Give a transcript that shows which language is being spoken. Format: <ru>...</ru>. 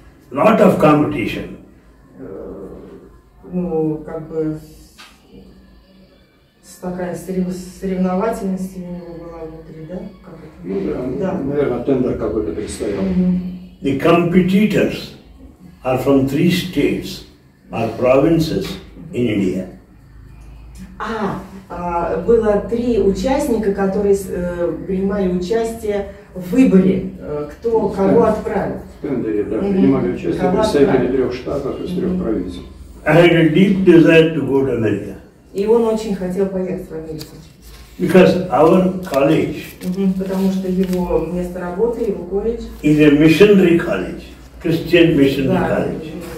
<en>Lot of competition.</en> <ru>ну, как бы такая соревновательность у него была внутри, да? Как это? Ну, да. Наверное, тендер какой-то предстоял.</ru> <en>The competitors are from three states, are provinces in India.</en> <ru>А, было три участника, которые принимали участие в выборе, кто кого отправил. В тендере, да, принимали участие представители трех штатов из трех провинций.</ru> <en>I had a deep desire to go to America.</en> <ru>И он очень хотел поехать в Америку.</ru> <en>Because our college,</en> <ru>потому что его место работы, его колледж,</ru> <en>is a missionary college, Christian missionary college.</en>